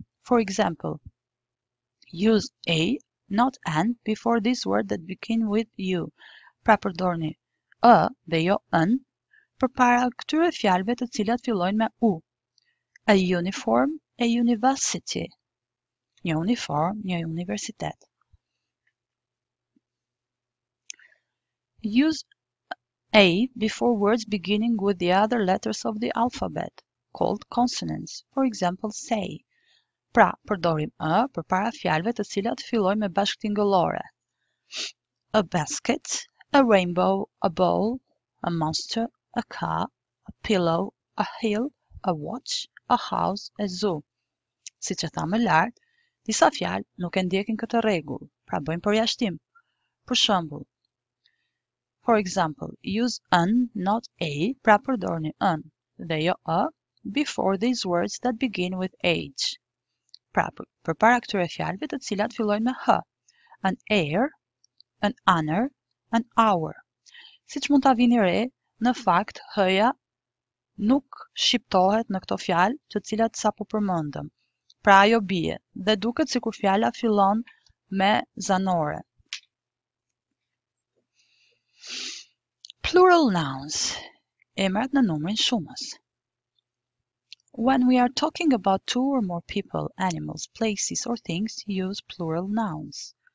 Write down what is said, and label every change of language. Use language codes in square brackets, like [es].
[en] For example, use a, not an, before this word that begin with u. [sq] Pra përdorni ë dhe jo ën përpara këtyre fjalëve të cilat fillojnë me u. [en] A uniform, a university. [sq] Një uniform, një universitet. [en] Use a before words beginning with the other letters of the alphabet, called consonants. For example, say. [sq] Pra, përdorim ë përpara fjalëve të cilat fillojnë me bashktingëllore. [en] A basket, a rainbow, a bowl, a monster, a car, a pillow, a hill, a watch, a house, a zoo. [sq] Si që tha më lart, disa fjalë nuk e ndjekin këtë rregull, pra bëjnë përjashtim. Për shembull. [en] For example, use an, not a, [sq] pra përdorni an dhe jo a [en] before these words that begin with age. [sq] Pra përpara këtyre fjalëve të cilat fillojnë me h. [en] An air, an honor, an hour. [sq] Siç mund ta vini re, në fakt h-ja nuk shqiptohet në këto fjalë të cilat sapo përmendëm. Pra ajo bie dhe duket sikur fjala fillon me zanore. [en] Plural nouns, [sq] emrat në numrin shumës. [en] When we are talking about two or more people, animals, places or things, use plural nouns.